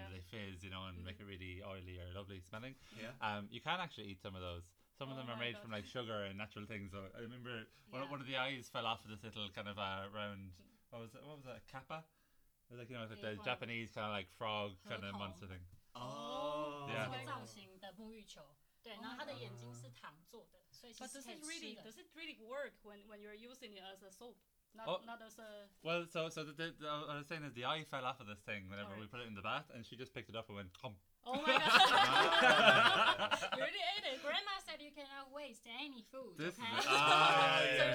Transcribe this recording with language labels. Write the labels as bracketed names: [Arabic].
[English] and they fizz, you know, and make it really oily or lovely smelling. Yeah. You can actually eat some of those. Some of them are made from like sugar and natural things. So I remember one of the eyes fell off of this little kind of round. What was that? A kappa? It was like, you know, like the Japanese kind of like frog kind of monster thing. Oh, yeah. [Chinese] 这个造型的沐浴球，对，然后它的眼睛是糖做的，所以其实可以吃的。 [English] Does it really work when you're using it as a soap? Not as a. Well, so the what I was saying is the eye fell off of this thing whenever we put it in the bath, and she just picked it up and went, "Come." Oh my god! You already ate it. Grandma said you cannot waste any food. This okay. Is ah, yeah,